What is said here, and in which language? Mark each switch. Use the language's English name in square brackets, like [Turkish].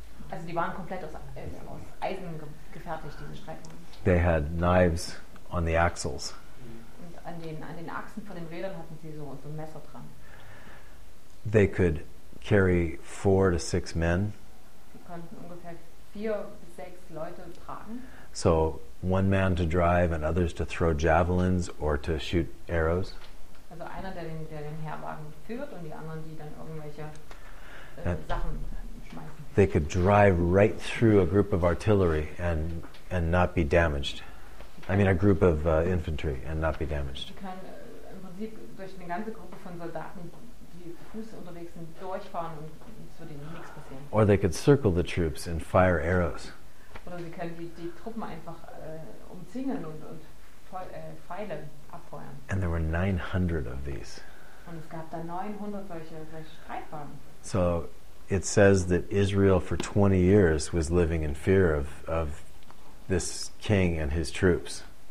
[German] Also die waren komplett aus Eisen gefertigt, diese Streitwagen. [English] They had knives on the axles. [German] Und an den Achsen von den Rädern hatten sie so Messer dran. [English] They could carry 4 to 6 men. [German] Sie konnten ungefähr 4 bis 6 Leute tragen. [English] So one man to drive and others to throw javelins or to shoot arrows. [German] Also einer, der den Herwagen führt, und die anderen, die dann irgendwelche Sachen schmeißen. [English] They could drive right through a group of artillery and not be damaged. I mean a group of infantry and not be damaged. [German] Die können im Prinzip durch eine ganze Gruppe von Soldaten, die Fuß unterwegs sind, durchfahren und es würde ihnen nichts passieren. [English] Or they could circle the troops and fire arrows. [German] Oder sie können die Truppen einfach umzingeln und Pfeile abfeuern. [English] And there were 900 of these. [German] Und es gab da 900 solche Streitwagen. [English] So it says that Israel for 20 years was living in fear of this king and his troops.